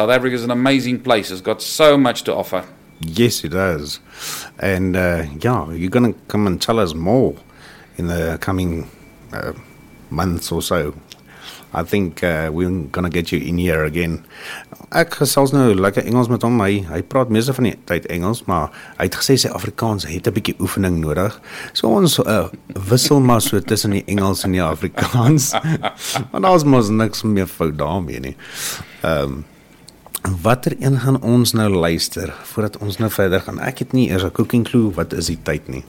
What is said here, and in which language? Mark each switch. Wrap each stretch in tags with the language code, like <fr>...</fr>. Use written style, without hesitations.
<en>South Africa is an amazing place. It's got so much to offer. Yes, it does. And yeah, you're going to come and tell us more in the coming months or so. I think we're going to get you in here again.</en> <af>Ek gesels nou lekker Engels met hom. Hy praat meestal van die tyd Engels, maar hy het gesê sy Afrikaans het 'n bietjie oefening nodig. So ons wissel maar so tussen die Engels en die Afrikaans. Want daar is mos niks meer fout daarmee nie. Watter een gaan ons nou luister voordat ons nou verder gaan? Ek het nie eers 'n</af> <en>cooking clue</en> <af>wat is die tyd nie.</af>